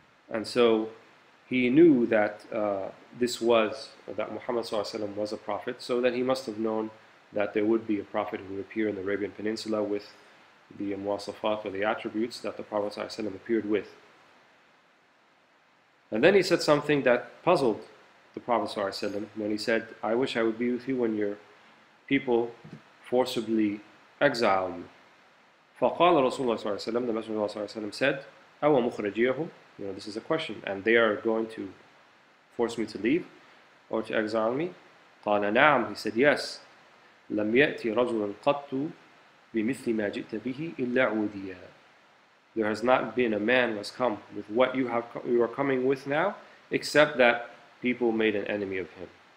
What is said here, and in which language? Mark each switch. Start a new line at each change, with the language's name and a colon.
English: And so he knew that this was, that Muhammad sallallahu alaihi wasallam was a prophet, so that he must have known that there would be a prophet who would appear in the Arabian Peninsula with the muwasafat or the attributes that the Prophet sallallahu alaihi wasallam appeared with. And then he said something that puzzled the Prophet sallallahu alaihi wasallam when he said, I wish I would be with you when your people forcibly exile you.
Arabic: فَقَالَ رَسُولُ اللَّهِ صَلَّى اللَّهُ عَلَيْهِ وَسَلَّمَ,
English: the Messenger of Allah sallallahu alaihi wasallam said,
Arabic: أَوَ مُخْرَجِيَهُمْ.
English: You know, this is a question, and they are going to force me to leave or to exile me.
Arabic: قَالَ نَعَمْ,
English: he said, yes.
Arabic: لَمْ يَأْتِي رَجُلًا قَطُّ بِمِثْلِ مَا جِئْتَ بِهِ إِلَّا عُودِيَا.
English: There has not been a man who has come with what you are coming with now, except that people made an enemy of him.